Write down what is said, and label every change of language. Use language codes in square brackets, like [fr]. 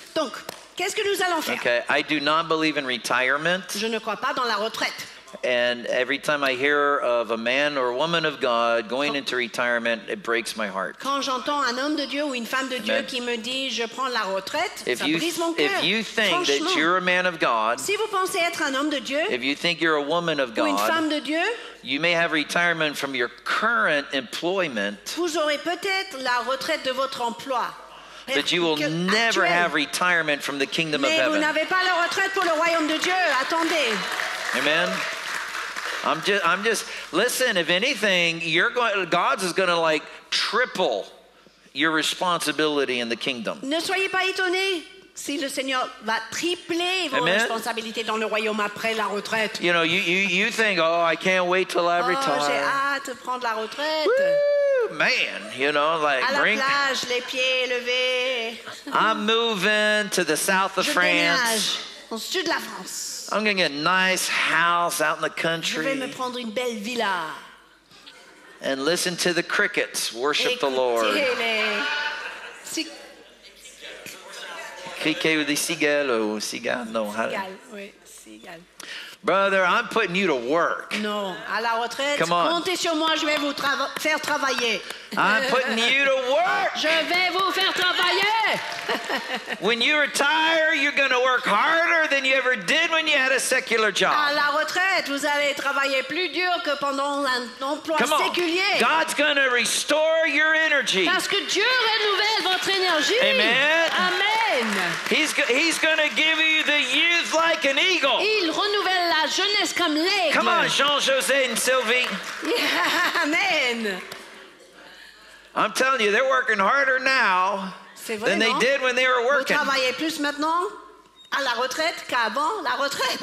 [fr] Donc, qu'est-ce que nous allons faire? [en] Okay, I do not believe in retirement. [fr] Je ne crois pas dans la retraite. [en] And every time I hear of a man or a woman of God going into retirement, it breaks my heart. [fr] Quand j'entends un homme de Dieu ou une femme de Dieu qui me dit je prends la retraite, ça brise mon cœur. [en] If you think that you're a man of God, [fr] si vous pensez être un homme de Dieu, [en] if you think you're a woman of God, [fr] ou une femme de Dieu, [en] you may have retirement from your current employment. [fr] Vous aurez peut-être la retraite de votre emploi. [en] But you will never have retirement from the kingdom of heaven. [fr] Mais vous n'avez pas la retraite pour le royaume de Dieu. Attendez. [en] Amen. I'm just. Listen. If anything, God's going to like triple your responsibility in the kingdom. [fr] Ne soyez pas étonnés si le Seigneur va tripler vos Amen. Responsabilités dans le royaume après la retraite. [en] You know, you think, oh, I can't wait till I retire. [fr] Oh, j'ai hâte de prendre la retraite. [en] Woo, man, you know, like [fr] à la plage, les pieds levés. [en] I'm moving to the south of France. [fr] Je déménage au sud de la France. [en] I'm going to get a nice house out in the country. [fr] Je vais me prendre une belle villa. [en] And listen to the crickets worship [fr] Écoutez [en] the Lord. [fr] Les... Criquet ou des cigales ou cigales, non. Cigales, oui, cigales. [en] Brother, I'm putting you to work. [fr] Non, à la retraite, [en] Come on. [fr] Comptez sur moi, je vais vous faire travailler. [en] I'm putting you to work. [fr] Je vais vous faire travailler. [en] When you retire, you're going to work harder than you ever did when you had a secular job. [fr] À la retraite, vous allez travailler plus dur que pendant un emploi [en] Come [fr] séculier. [en] On. God's going to restore your energy. [fr] Parce que Dieu renouvelle votre énergie. Amen. Amen. [en] He's going to give you the youth like an eagle. [fr] Il renouvelle la jeunesse comme l'aigle. [en] Come on, Jean-José and Sylvie. Yeah, amen. I'm telling you, they're working harder now than they did when they were working. [fr] Vous travaillez plus maintenant à la retraite qu'avant la retraite.